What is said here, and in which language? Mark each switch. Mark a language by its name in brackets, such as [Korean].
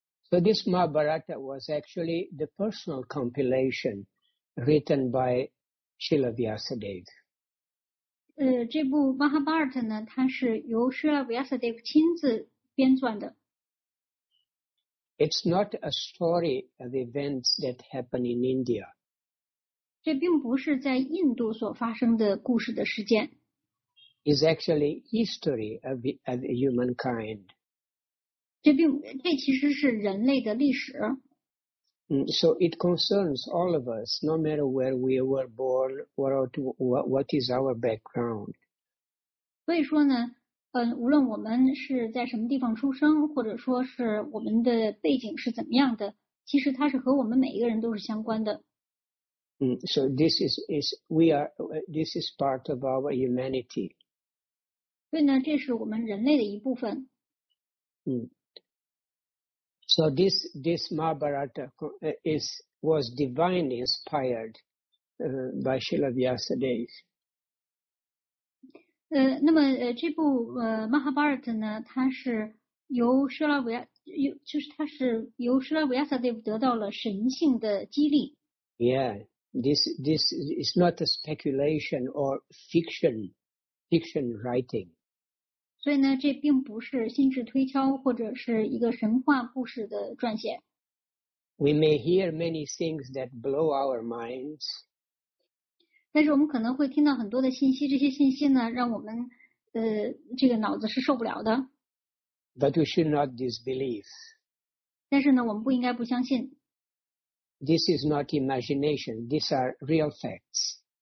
[English] So this Mahabharata was actually the personal compilation written by Srila Vyasadeva. [Chinese] 这部 Mahabharata 呢，它是由 Srila Vyasadeva 亲自编撰的。 [English] It's not a story of events that happen in India. [Chinese] 这并不是在印度所发生的故事的事件。 [English] is actually history of humankind. [Chinese] 这其实是人类的历史。 [English] So it concerns all of us, no matter where we were born, what is our background. [Chinese] 所以说呢，无论我们是在什么地方出生，或者说是我们的背景是怎么样的，其实它是和我们每一个人都是相关的。 [English] So this is part of our humanity. [Chinese] 对呢，这是我们人类的一部分。 [English] So this Mahabharata was divinely inspired by Srila Vyasadeva. [Chinese] 这部Mahabharata 呢，它是由舍拉维亚，就是它是由舍拉维亚萨德夫得到了神性的激励。 [English] Yeah, this is not a speculation or fiction writing. [Chinese] 所以呢，这并不是心智推敲或者是一个神话故事的撰写。 [English] We may hear many things that blow our minds. [Chinese] 但是我们可能会听到很多的信息，这些信息呢，让我们这个脑子是受不了的。 [English] But we should not disbelieve. [Chinese] 但是呢，我们不应该不相信。 [English] This is not imagination. These are real facts.